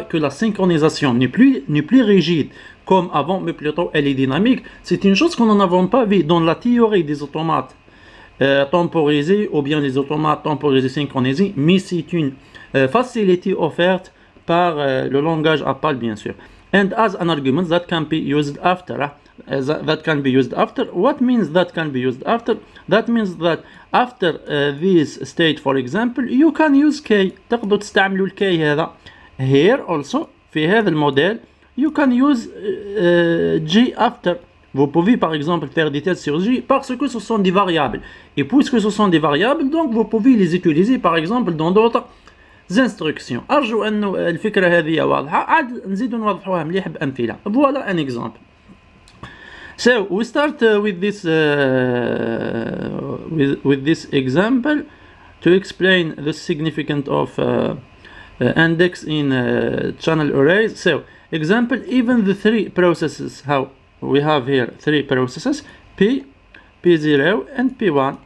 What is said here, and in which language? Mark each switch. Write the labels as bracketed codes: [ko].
[fr] Que la synchronisation n'est plus rigide comme avant, mais plutôt elle est dynamique. C'est une chose qu'on n'en avons pas vu dans la théorie des automates temporisés ou bien les automates temporisés synchronisés, mais c'est une facilité offerte par le langage Apple, bien sûr. [en] And as an argument that can be used after that can be used after. What means that can be used after? That means that after this state, for example, you can use k. [ar] تقدر تستعملوا الk هذا. [en] Here also, [ar] في هذا الموديل, [en] you can use g after. [fr] Vous pouvez par exemple faire des tests sur g parce que ce sont des variables. Et puisque ce sont des variables, donc vous pouvez les utiliser par exemple dans d'autres instructions. [ar] أرجو أن الفكرة هذه واضحة. عاد نزيد نوضحوها مليح بأمثلة. [fr] Voilà un exemple. [en] So we start with this example to explain the significance of index in channel arrays. So example, even the three processes how we have here three processes P, P0 and P1.